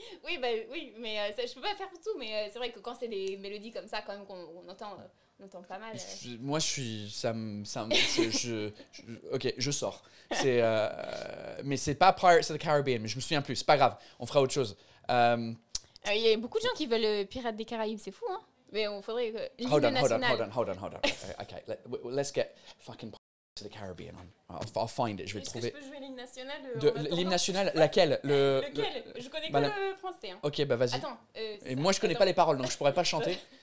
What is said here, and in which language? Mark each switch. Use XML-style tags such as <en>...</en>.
<fr>Oui, bah oui, mais ça, je peux pas faire tout, mais c'est vrai que quand c'est des mélodies comme ça, quand même, qu'on entend pas mal. Moi, je suis. Ok, je sors. Mais c'est pas Pirates of the Caribbean, mais je me souviens plus, c'est pas grave, on fera autre chose. Il y a beaucoup de gens qui veulent Pirates des Caraïbes, c'est fou, hein. Mais on faudrait que...</fr> <en>Hold on. Okay, let's get fucking Pirates of the Caribbean on. I'll find it,</en> <fr>je vais le trouver. Est-ce que je peux jouer l'hymne national L'hymne national, laquelle Je connais que le français. Hein. Ok, bah vas-y. Attends. Et moi, je connais pas les paroles, donc je pourrais pas chanter.</fr>